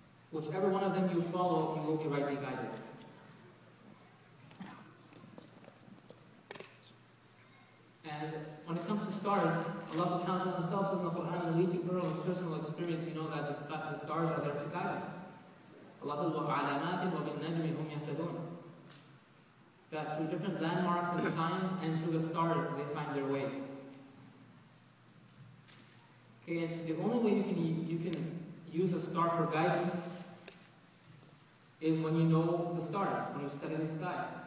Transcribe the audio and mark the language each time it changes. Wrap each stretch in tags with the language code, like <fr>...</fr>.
<en>Whichever one of them you follow, you will be rightly guided. When it comes to stars, Allah subhanahu wa ta'ala himself says in the Quran, and we think from personal experience, we know that the stars are there to guide us. Allah says,</en> <ar>وَعَلَامَاتٍ وَبِالنَّجْمِ هُمْ يَهْتَدُونَ.</ar> <en>That through different landmarks and signs and through the stars, they find their way. Okay, and the only way you can use a star for guidance is when you know the stars, when you study the sky.</en>